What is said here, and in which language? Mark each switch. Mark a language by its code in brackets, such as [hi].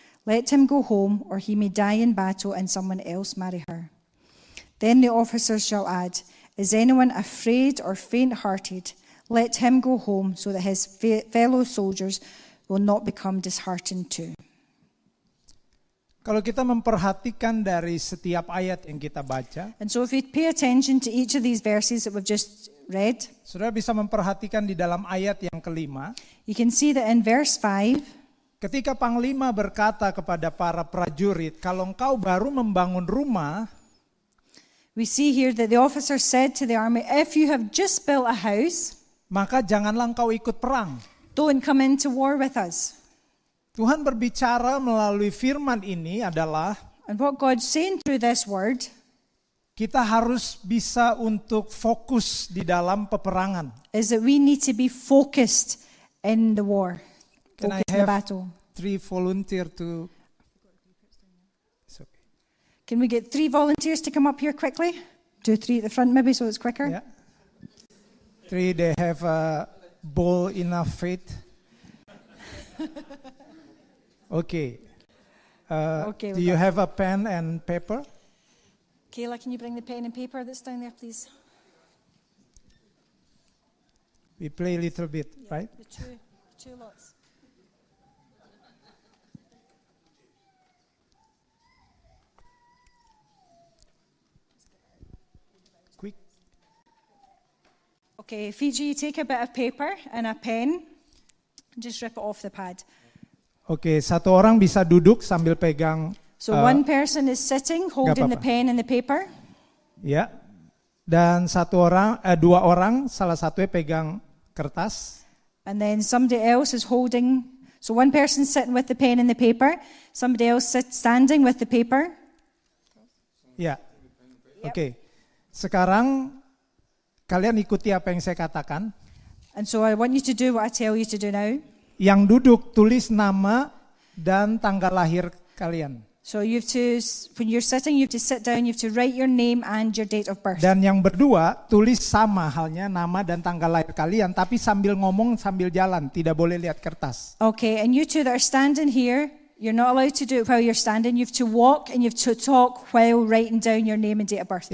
[en] Let him go home, or he may die in battle and someone else marry her. Then the officers shall add, is anyone afraid or faint-hearted? Let him go home so that his fellow soldiers will not become disheartened too. [id] Kalau kita memperhatikan dari setiap ayat yang kita baca, [en] and so if we pay attention to each of these verses that we've just read, [id] Saudara bisa memperhatikan di dalam ayat yang kelima, [en] you can see that in verse 5, [id] ketika Panglima berkata kepada para prajurit, kalau engkau baru membangun rumah, [en] we see here that the officer said to the army, if you have just built a house, [id] maka janganlah engkau ikut perang. [en] Don't come into war with us. [id] Tuhan berbicara melalui firman ini adalah, [en] and what God's saying through this word, [id] kita harus bisa untuk fokus di dalam peperangan. [en] Is that we need to be focused in the war. Can focus I have in the battle. Three volunteer to... It's okay. Can we get three volunteers to come up here quickly? Two, three at the front maybe so it's quicker. Yeah. Three, they have a bowl enough faith. Okay. Okay, do you have a pen and paper? Kayla, can you bring the pen and paper that's down there, please? We play a little bit, yeah, right? The two lots. Quick. Okay, Fiji, you take a bit of paper and a pen. Just rip it off the pad. [id] Okay, satu orang bisa duduk sambil pegang. [en] So one person is sitting holding the pen and the paper. [id] Ya. Dan satu orang dua orang salah satunya pegang kertas. [en] And then somebody else is holding. So one person sitting with the pen and the paper, somebody else sits standing with the paper. [id] Ya. Okay. Sekarang kalian ikuti apa yang saya katakan. [en] And so I want you to do what I tell you to do now. [id] Yang duduk tulis nama dan tanggal lahir kalian. [en] So you have to, when you're sitting, you have to sit down, you have to write your name and your date of birth. [id] Dan yang berdua tulis sama halnya nama dan tanggal lahir kalian, tapi sambil ngomong sambil jalan, tidak boleh lihat kertas. [en] Okay, and you two that are standing here, you're not allowed to do it while you're standing. You have to walk and you have to talk while writing down your name and date of birth.